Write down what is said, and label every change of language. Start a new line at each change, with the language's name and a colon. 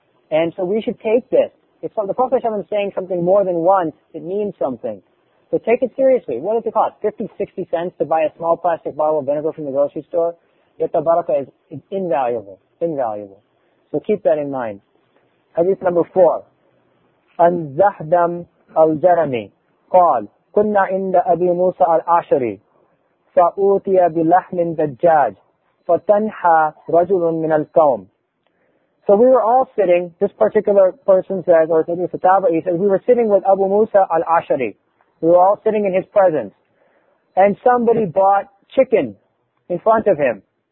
English: And so we should take this. If the Prophet is saying something more than once, it means something. So take it seriously. What does it cost? 50, 60 cents to buy a small plastic bottle of vinegar from the grocery store? Yet the barakah is invaluable. Invaluable. So keep that in mind.
Arabic: حديث
English: number 4
Arabic: عن زهدم الجرمي قال كنا عند أبي موسى الأشعري فأوتي بلحم دجاج فتنحى رجل من القوم.
English: So we were all sitting, this particular person says, or maybe it's a tabi'i, he says, we were sitting with Abu Musa al-Ash'ari. We were all sitting in his presence. And somebody bought chicken in front of him.